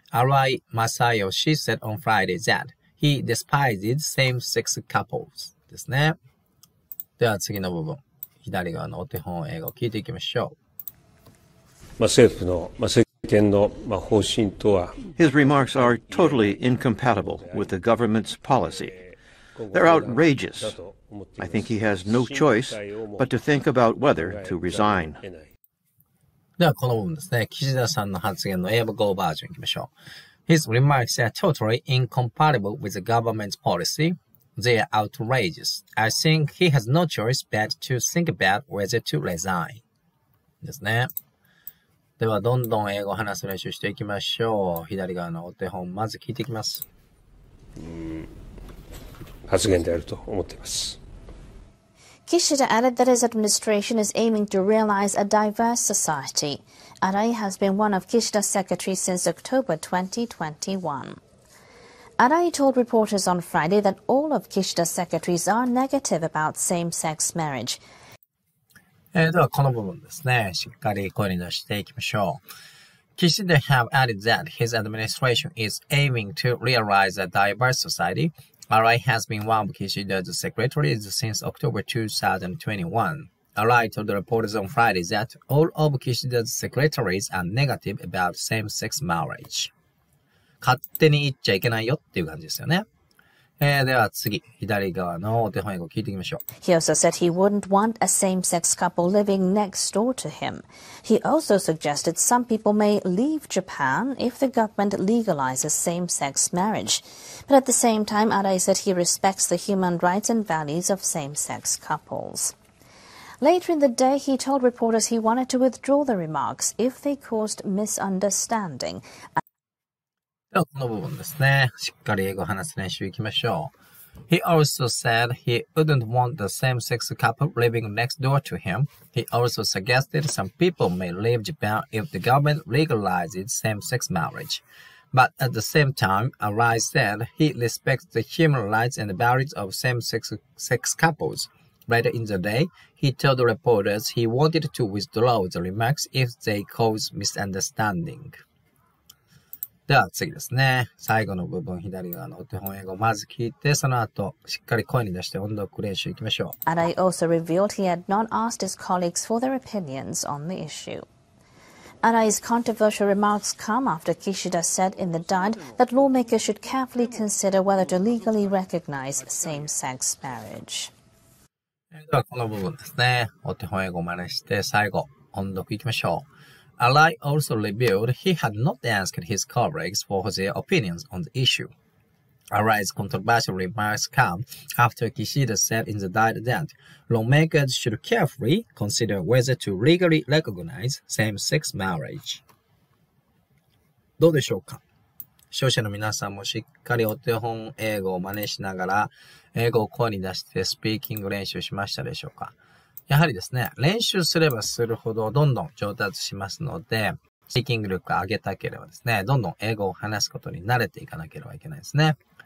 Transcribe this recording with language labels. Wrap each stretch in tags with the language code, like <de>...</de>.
<en>Arai Masayoshi said on Friday thatHe despises same-sex couples</en> <ja>ですね。では次の部分、左側のお手本英語を聞いていきましょう。まあ、政府の、まあ、政権の、まあ、方針とは。</ja> <en>His remarks are totally incompatible with the government's policy. They're outrageous. I think he has no choice but to think about whether to resign.</en> <ja>ではこの部分ですね、岸田さんの発言の英語バージョンいきましょう。</ja> <en>His remarks are totally incompatible with the government's policy. They are outrageous. I think he has no choice but to think about whether to resign.</en> <ja>ですね。ではどんどん英語を話す練習していきましょう。左側のお手本まず聞いていきます。発言であると思っています。</ja> <en>Kishida added that his administration is aiming to realize a diverse society. Arai has been one of Kishida's secretaries since October 2021. Arai told reporters on Friday that all of Kishida's secretaries are negative about same-sex marriage.</en> <ja>ではこの部分ですね。しっかり声に出していきましょう。</ja> <en>Kishida have added that his administration is aiming to realize a diverse society. Arai has been one of Kishida's secretaries since October 2021. Arai told the reporters on Friday that all of Kishida's secretaries are negative about same-sex marriage.</en> <ja>勝手に言っちゃいけないよっていう感じですよね。では次、左側のお手本英語聞いていきましょう。</ja> <en>He also said he wouldn't want a same-sex couple living next door to him. He also suggested some people may leave Japan if the government legalizes same-sex marriage. But at the same time, Arai said he respects the human rights and values of same-sex couples. Later in the day, he told reporters he wanted to withdraw the remarks if they caused misunderstanding.</en> <ja>この部分ですね。しっかり英語話す練習行きましょう。</ja> <en>He also said he wouldn't want the same-sex couple living next door to him. He also suggested some people may leave Japan if the government legalizes same-sex marriage. But at the same time, Arai said he respects the human rights and values of same-sex couples. Later in the day, he told the reporters he wanted to withdraw the remarks if they caused misunderstanding.</en> <ja>では次ですね。最後の部分、左側のお手本英語をまず聞いて、その後、しっかり声に出して音読練習行きましょう。</ja> <en>Arai also revealed he had not asked his colleagues for their opinions on the issue. Arai's controversial remarks come after Kishida said in the diet that lawmakers should carefully consider whether to legally recognize same-sex marriage.</en> <ja>ではこの部分ですね。お手本英語を真似して、最後、音読行きましょう。</ja> <en>Arai also revealed he had not asked his colleagues for their opinions on the issue. Arai's controversial remarks come after Kishida said in the diet that lawmakers should carefully consider whether to legally recognize same-sex marriage.</en> <ja>どうでしょうか？視聴者の皆さんもしっかりお手本英語を真似しながら英語を声に出してスピーキング練習しましたでしょうか？やはりですね、練習すればするほどどんどん上達しますので、スピーキング力を上げたければですね、どんどん英語を話すことに慣れていかなければいけないですね。</ja>